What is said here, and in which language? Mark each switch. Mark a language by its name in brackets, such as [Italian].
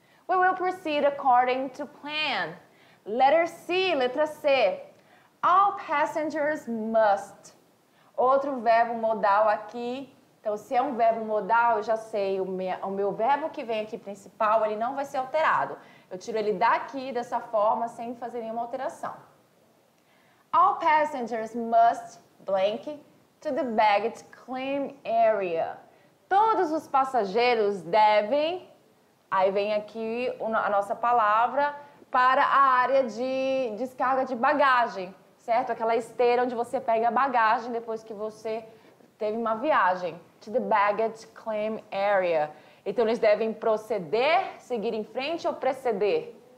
[English] We will proceed according to plan. Letter C. [Portuguese] Letra C. [English] All passengers must. [Portuguese] Outro verbo modal aqui. Então, se é um verbo modal, eu já sei, o meu verbo que vem aqui principal, ele não vai ser alterado. Eu tiro ele daqui, dessa forma, sem fazer nenhuma alteração. [English] All passengers must blank to the baggage claim area. [Portuguese] Todos os passageiros devem, aí vem aqui a nossa palavra, para a área de descarga de bagagem, certo? Aquela esteira onde você pega a bagagem depois que você teve uma viagem. [English] To the baggage claim area. [Portuguese] Então, eles devem proceder, seguir em frente ou preceder?